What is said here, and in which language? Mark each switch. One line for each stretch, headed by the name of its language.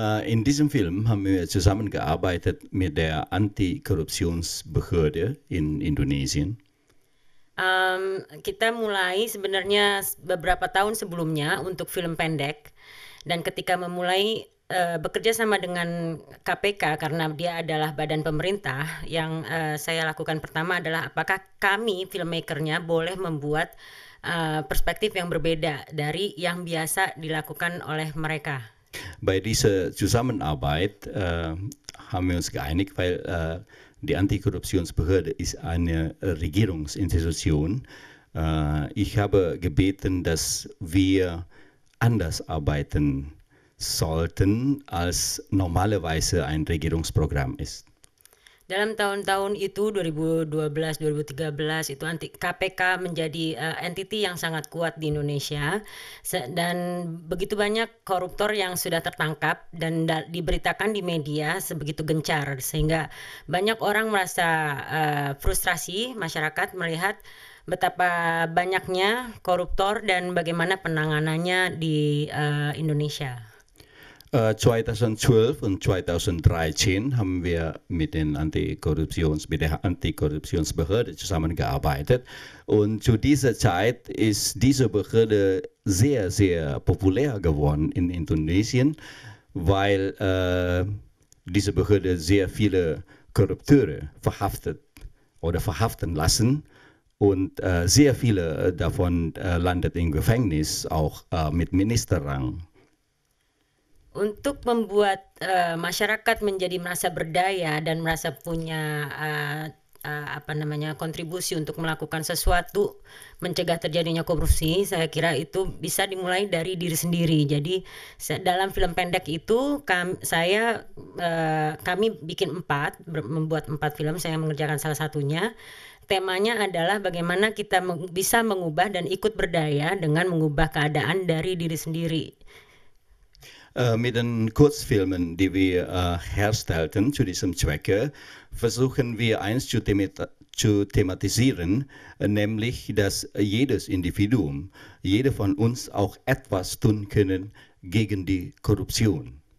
German: In diesem Film haben wir zusammengearbeitet mit der Antikorruptionsbehörde in Indonesien.
Indonesian: Kita mulai sebenarnya beberapa tahun sebelumnya untuk film pendek. Dan ketika memulai bekerja sama dengan KPK karena dia adalah badan pemerintah, yang saya lakukan pertama adalah apakah kami filmmakernya boleh membuat perspektif yang berbeda dari yang biasa dilakukan oleh mereka.
German: Bei dieser Zusammenarbeit haben wir uns geeinigt, weil die Antikorruptionsbehörde ist eine Regierungsinstitution. Ich habe gebeten, dass wir anders arbeiten sollten, als normalerweise ein Regierungsprogramm ist.
Indonesian: Dalam tahun-tahun itu 2012-2013 itu anti KPK menjadi entity yang sangat kuat di Indonesia dan begitu banyak koruptor yang sudah tertangkap dan diberitakan di media sebegitu gencar sehingga banyak orang merasa frustrasi masyarakat melihat betapa banyaknya koruptor dan bagaimana penanganannya di Indonesia.
German: 2012 und 2013 haben wir mit den Antikorruptionsbehörde zusammengearbeitet. Und zu dieser Zeit ist diese Behörde sehr, sehr populär geworden in Indonesien, weil diese Behörde sehr viele Korrupteure verhaftet oder verhaften lassen. Und sehr viele davon landet im Gefängnis, auch mit Ministerrang.
Indonesian: Untuk membuat masyarakat menjadi merasa berdaya dan merasa punya apa namanya kontribusi untuk melakukan sesuatu mencegah terjadinya korupsi, saya kira itu bisa dimulai dari diri sendiri. Jadi dalam film pendek itu kami bikin empat, membuat empat film, saya mengerjakan salah satunya. Temanya adalah bagaimana kita bisa mengubah dan ikut berdaya dengan mengubah keadaan dari diri sendiri.
German: Mit den Kurzfilmen, die wir herstellten zu diesem Zwecke, versuchen wir eins zu thematisieren, nämlich, dass jedes Individuum, jeder von uns auch etwas tun können gegen die Korruption.